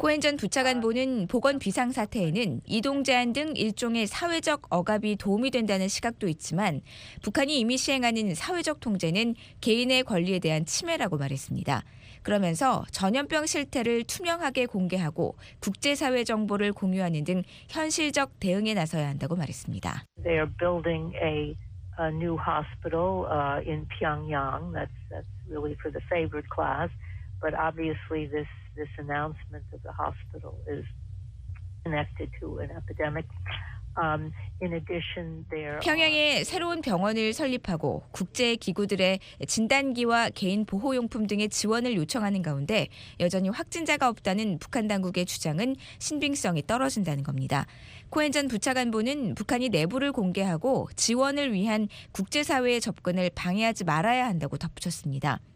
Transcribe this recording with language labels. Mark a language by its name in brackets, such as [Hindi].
[Korean] 코엔 전 부차관보는 보건 비상사태에는 이동 제한 등 일종의 사회적 억압이 도움이 된다는 시각도 있지만 북한이 이미 시행하는 사회적 통제는 개인의 권리에 대한 침해라고 말했습니다. 그러면서 전염병 실태를 투명하게 공개하고 국제사회 정보를 공유하는 등 현실적 대응에 나서야 한다고 말했습니다. [English] They are building a new hospital in Pyongyang. That's really for the favored class, but obviously this announcement of the hospital is connected to an epidemic. In addition, [Korean] 평양에 새로운 병원을 설립하고 국제 기구들의 진단기와 개인 보호용품 등의 지원을 요청하는 가운데 여전히 확진자가 없다는 북한 당국의 주장은 신빙성이 떨어진다는 겁니다. 코엔 전 부차관보는 북한이 내부를 공개하고 지원을 위한 국제사회의 접근을 방해하지 말아야 한다고 덧붙였습니다.